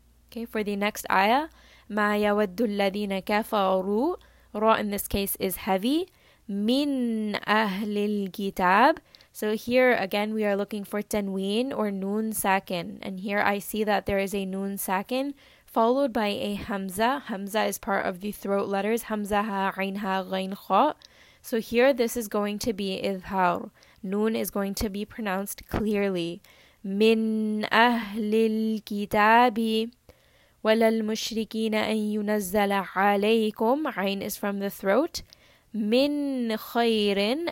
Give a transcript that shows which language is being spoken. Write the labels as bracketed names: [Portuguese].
[English] Okay, for the next ayah, [Arabic] مَا يَوَدُّ الَّذِينَ كَفَرُوا. [English] Ra in this case is heavy. [Arabic] مِنْ أَهْلِ الْكِتَابِ. [English] So here again we are looking for tanween or noon sakin. And here I see that there is a noon sakin followed by a hamza. Hamza is part of the throat letters. Hamza ha, عَيْنْ هَا, غَيْنْ خَا. So here this is going to be idhar. Noon is going to be pronounced clearly. [Arabic] مِنْ أَهْلِ الْكِتَابِ. وَلَلْمُشْرِكِينَ أَن يُنَزَّلَ عَلَيْكُمْ. [English] عَيْنْ is from the throat. [Arabic] مِنْ خَيْرٍ.